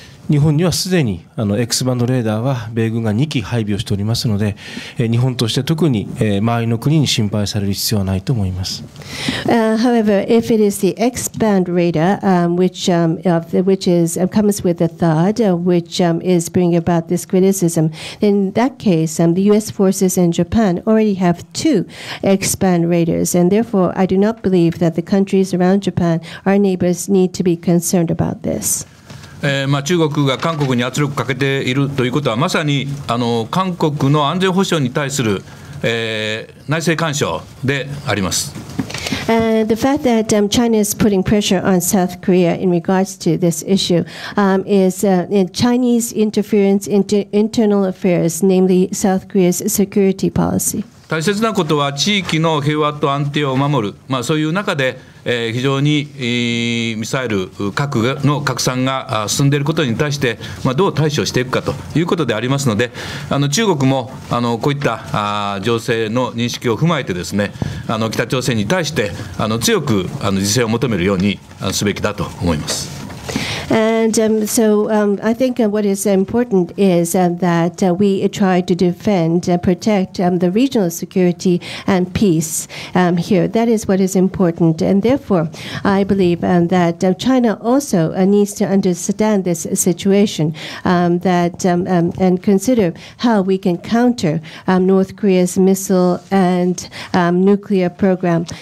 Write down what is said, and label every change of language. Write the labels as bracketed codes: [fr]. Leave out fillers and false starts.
[ja] 日本にはすでにあの X バンドレーダーは米軍が2機配備をしておりますので、日本として特に周りの国に心配される必要はないと思います。 [en] However, if it is the X band radar which comes with the THAAD, which is bringing about this criticism, in that case, the U.S. forces in Japan already have 2 X band radars, and therefore, I do not believe that the countries around Japan, our neighbors, need to be concerned about this. [ja] 中国が韓国に圧力をかけているということは、まさにあの韓国の安全保障に対する、内政干渉であります。 [en] The fact that China is putting pressure on South Korea in regards to this issue is Chinese interference into internal affairs, namely South Korea's security policy. [ja] 大切なことは地域の平和と安定を守る、まあ、そういう中で非常にミサイル核の拡散が進んでいることに対してどう対処していくかということでありますので、中国もこういった情勢の認識を踏まえてですね、北朝鮮に対して強く自制を求めるようにすべきだと思います。 [en] And so I think what is important is that we try to defend and protect the regional security and peace here. That is what is important. And therefore, I believe that China also needs to understand this situation and consider how we can counter North Korea's missile and nuclear program.